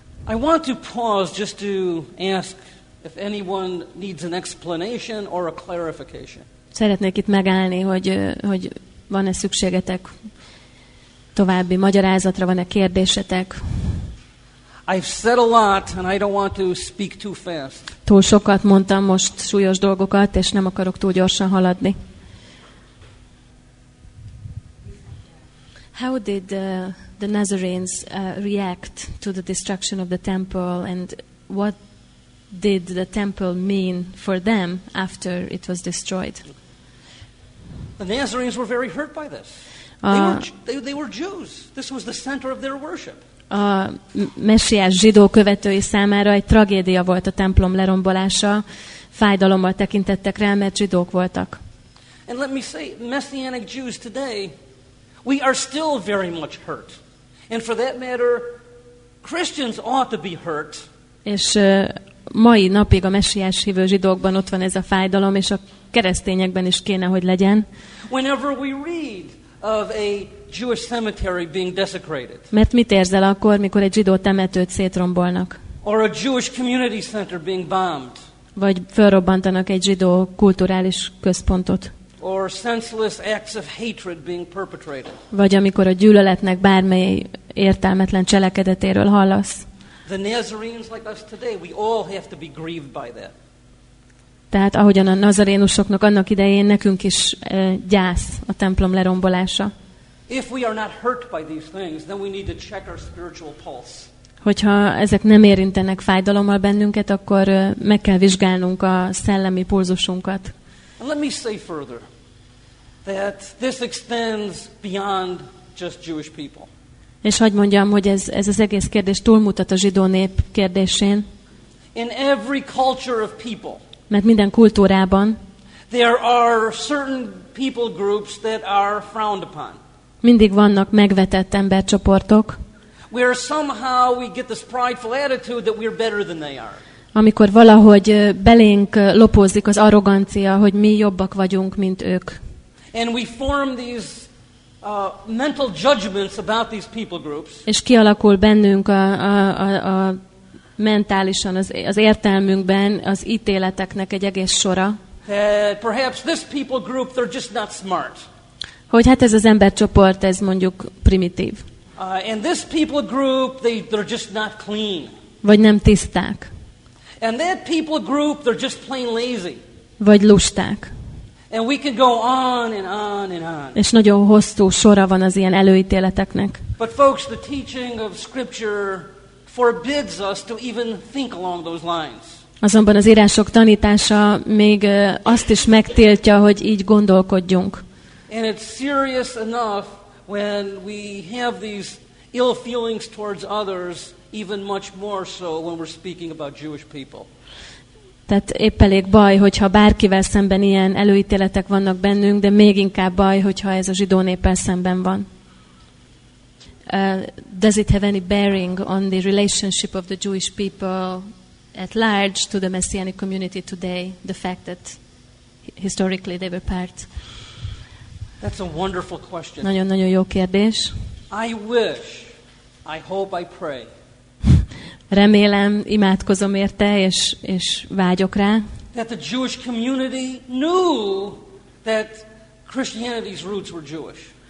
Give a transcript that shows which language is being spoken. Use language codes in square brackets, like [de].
[en] I want to pause just to ask if anyone needs an explanation or a clarification. [hu] Szeretnék itt megállni, hogy van-e szükségetek további magyarázatra, van-e kérdésetek. [en] I've said a lot and I don't want to speak too fast. [hu] Túl sokat mondtam most súlyos dolgokat, és nem akarok túl gyorsan haladni. [en] How did the Nazarenes react to the destruction of the temple, and what did the temple mean for them after it was destroyed? The Nazarenes were very hurt by this. They were Jews. This was the center of their worship. [hu] A messiás zsidó követői számára egy tragédia volt a templom lerombolása. Fájdalommal tekintettek rá, mert zsidók voltak. [en] And let me say, Messianic Jews today, we are still very much hurt. And for that matter, Christians ought to be hurt. [hu] És mai napig a messiás hívő zsidókban ott van ez a fájdalom, és a keresztényekben is kéne, hogy legyen. [en] Whenever we read of a Jewish cemetery being desecrated. [hu] Mert mit érzel akkor, mikor egy zsidó temetőt szétrombolnak? [en] Or a Jewish community center being bombed. [hu] Vagy felrobbantanak egy zsidó kulturális központot. [en] Or senseless acts of hatred being perpetrated. [hu] Vagy amikor a gyűlöletnek bármely értelmetlen cselekedetéről hallasz. [en] The Nazarenes like us today, we all have to be grieved by that. [hu] Tehát ahogyan a nazarénusoknak annak idején, nekünk is gyász a templom lerombolása. [en] If we are not hurt by these things, then we need to check our spiritual pulse. [hu] Hogyha ezek nem érintenek fájdalommal bennünket, akkor meg kell vizsgálnunk a szellemi pulzusunkat. [en] And let me say further that this extends beyond just Jewish people. [hu] És hadd mondjam, hogy ez az egész kérdés túlmutat a zsidó nép kérdésén. [en] In every culture of people. [hu] Mert minden kultúrában [en] there are certain people groups that are frowned upon. [hu] Mindig vannak megvetett embercsoportok. [en] Where somehow we get this prideful attitude that we're better than they are. [hu] Amikor valahogy belénk lopózik az arrogancia, hogy mi jobbak vagyunk, mint ők. [en] And we form these mental judgments about these people groups. [hu] És kialakul bennünk a mentálisan az értelmünkben az ítéleteknek egy egész sora. [en] Perhaps this people group, they're just not smart. [hu] Hogy hát ez az embercsoport, ez mondjuk primitív. [en] And this people group, they're just not clean. [hu] Vagy nem tiszták. [en] And that people group, they're just plain lazy. [hu] Vagy lusták. [en] And we can go on and on and on. [hu] És nagyon hosszú sora van az ilyen előítéleteknek. [en] But folks, the teaching of scripture forbids us to even think along those lines. [hu] Azonban az írások tanítása még azt is megtiltja, hogy így gondolkodjunk. [en] And it's serious enough when we have these ill feelings towards others, even much more so when we're speaking about Jewish people. [hu] Tehát épp elég baj, hogyha bárkivel szemben ilyen előítéletek vannak bennünk, de még inkább baj, hogyha ez a zsidó néppel szemben van. [en] Does it have any bearing on the relationship of the Jewish people at large to the Messianic community today, the fact that historically they were part That's a wonderful question. [hu] Nagyon-nagyon jó kérdés. [en] I wish, I hope, I pray. [hu] Remélem, imádkozom érte, és vágyok rá. [en] That the Jewish community knew that Christianity's roots were Jewish.